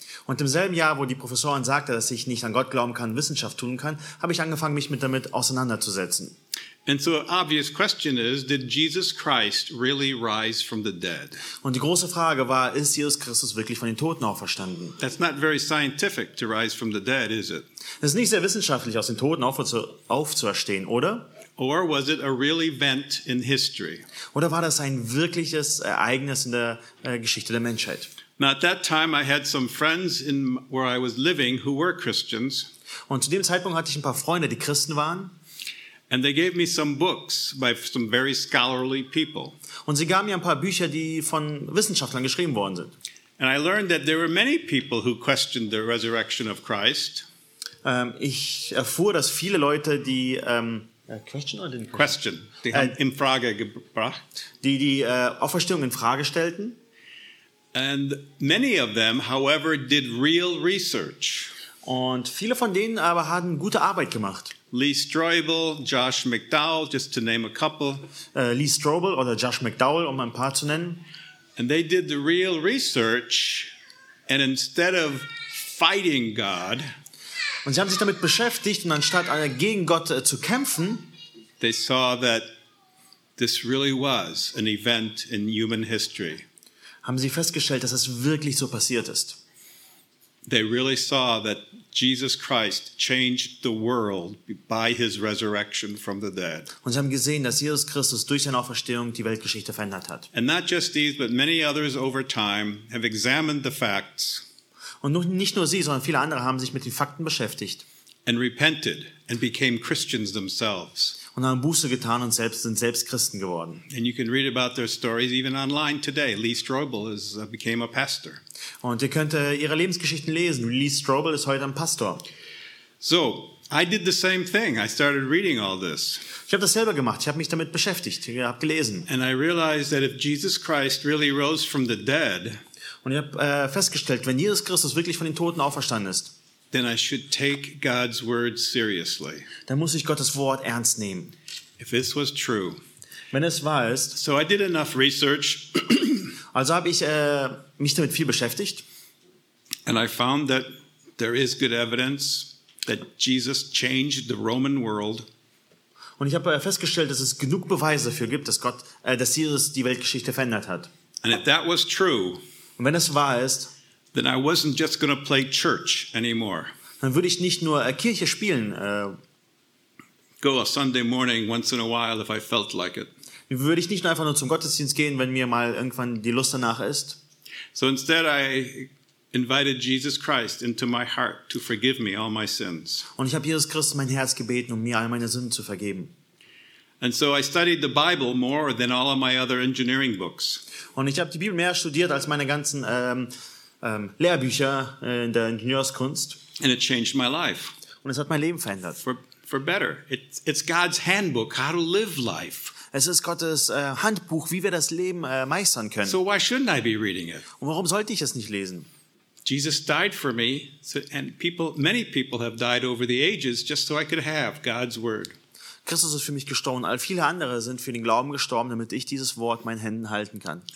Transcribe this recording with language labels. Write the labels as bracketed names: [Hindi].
[German] Und im selben Jahr, wo die Professorin sagte, dass ich nicht an Gott glauben kann, Wissenschaft tun kann, habe ich angefangen, mich damit auseinanderzusetzen. [English] And so an obvious question is, did Jesus Christ really rise from the dead? [German] Und die große Frage war, ist Jesus Christus wirklich von den Toten auferstanden? [English] That's not very scientific to rise from the dead, is it? [German] Es ist nicht sehr wissenschaftlich, aus den Toten aufzuerstehen, oder? [English] Or was it a real event in history? [German] Oder war das ein wirkliches Ereignis in der Geschichte der Menschheit? [English] Now at that time I had some friends in where I was living who were Christians. [German] Und zu dem Zeitpunkt hatte ich ein paar Freunde, die Christen waren. [English] And they gave me some books by some very scholarly people. [German] Und sie gaben mir ein paar Bücher, die von Wissenschaftlern geschrieben worden sind. [English] And I learned that there were many people who questioned the resurrection of Christ. [German] Ich erfuhr, dass viele Leute, die Auferstehung in Frage stellten. [English] And many of them, however, did real research. [German] Und viele von denen aber haben gute Arbeit gemacht. [English] Lee Strobel, Josh McDowell, just to name a couple. [German] Lee Strobel oder Josh McDowell, um ein paar zu nennen. [English] And they did the real research, and instead of fighting God, [German] und sie haben sich damit beschäftigt, und anstatt gegen Gott zu kämpfen, [English] they saw that this really was an event in human history. [German] Haben sie festgestellt, dass es wirklich so passiert ist. [English] They really saw that Jesus Christ changed the world by his resurrection from the dead. [German] Und sie haben gesehen, dass Jesus Christus durch seine Auferstehung die Weltgeschichte verändert hat. [English] And not just these, but many others over time have examined the facts. [German] Und nicht nur sie, sondern viele andere haben sich mit den Fakten beschäftigt. [English] And repented and became Christians themselves. [German] Und haben Buße getan und sind selbst Christen geworden. [English] And you can read about their stories even online today. Lee Strobel became a pastor. [German] Und ihr könnt ihre Lebensgeschichten lesen. Lee Strobel ist heute ein Pastor. [English] So, I did the same thing. I started reading all this. [German] Ich habe das selber gemacht. Ich habe mich damit beschäftigt. Ich habe gelesen. [English] And I realized that if Jesus Christ really rose from the dead, [German] und ich habe festgestellt, wenn Jesus Christus wirklich von den Toten auferstanden ist, [English] then I should take God's word seriously. [German] Dann muss ich Gottes Wort ernst nehmen. [English] If this was true. [German] Wenn es wahr ist. [English] So I did enough research. [German] Also habe ich mich damit viel beschäftigt. [English] And I found that there is good evidence that Jesus changed the Roman world. [German] Und ich habe festgestellt, dass es genug Beweise dafür gibt, dass Gott, dass Jesus die Weltgeschichte verändert hat. [English] And if that was true. [German] Und wenn es wahr ist. [English] Then I wasn't just going to play church anymore. [German] Dann würde ich nicht nur Kirche spielen. [English] Go a Sunday morning once in a while if I felt like it. [German] Würde ich nicht einfach nur zum Gottesdienst gehen, wenn mir mal irgendwann die Lust danach ist. [English] So instead I invited Jesus Christ into my heart to forgive me all my sins. [German] Und ich habe Jesus Christus mein Herz gebeten, um mir all meine Sünden zu vergeben. [English] And so I studied the Bible more than all of my other engineering books. [German] Und ich habe die Bibel mehr studiert als meine ganzen Lehrbücher in der Ingenieurskunst. [English] And it changed my life. [German] Und es hat mein Leben verändert. [English] For better. It's God's handbook how to live life. [German] Es ist Gottes Handbuch, wie wir das Leben meistern können. [English] So why shouldn't I be reading it? [German] Und warum sollte ich es nicht lesen? [English] Jesus died for me, and many people have died over the ages just so I could have God's word. [German] Christus ist für mich gestorben, all viele andere sind für den Glauben gestorben, damit ich dieses Wort in meinen Händen halten kann.